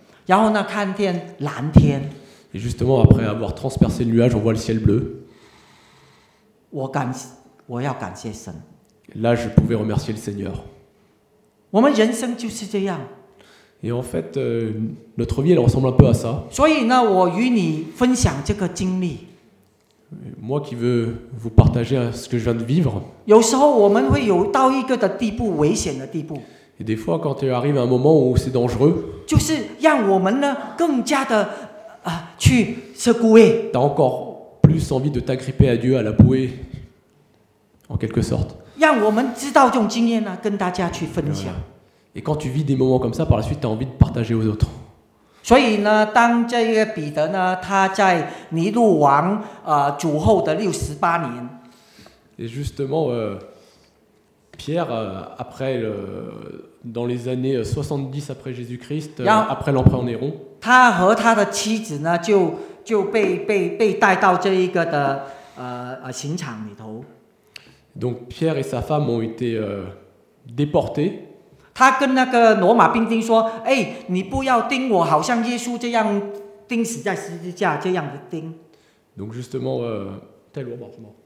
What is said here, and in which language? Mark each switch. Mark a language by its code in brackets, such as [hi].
[fr] Et justement, après avoir transpercé le nuage, on voit le ciel bleu. Là, je pouvais remercier le Seigneur. Et en fait, notre vie, elle ressemble un peu à ça. [zh] 所以呢，我与你分享这个经历。 [fr] Moi qui veux vous partager ce que je viens de vivre. [zh] 有时候我们会有到一个的地步，危险的地步。 [fr] Et des fois, quand il arrive un moment où c'est dangereux. [zh] 就是让我们呢更加的去secouer. [fr] T'as encore plus envie de t'agripper à Dieu, à la bouée, en quelque sorte. [zh] 让我们知道这种经验呢，跟大家去分享。 [fr] Voilà. Et quand tu vis des moments comme ça, par la suite, tu as envie de partager aux autres. [zh] 所以呢，当这个彼得呢，他在尼禄王主后的68年。 [fr] Et justement, Pierre, après, dans les années 70 après Jésus-Christ, après l'empereur Néron, [zh] 他和他的妻子呢，就被带到这一个的刑场里头。 [fr] Donc Pierre et sa femme ont été déportés. [zh] 他跟那个罗马兵丁说, 哎, 你不要钉我, 好像耶稣这样, 钉死在十字架, 这样的钉。 [fr] Donc justement, c'était Roma, je crois.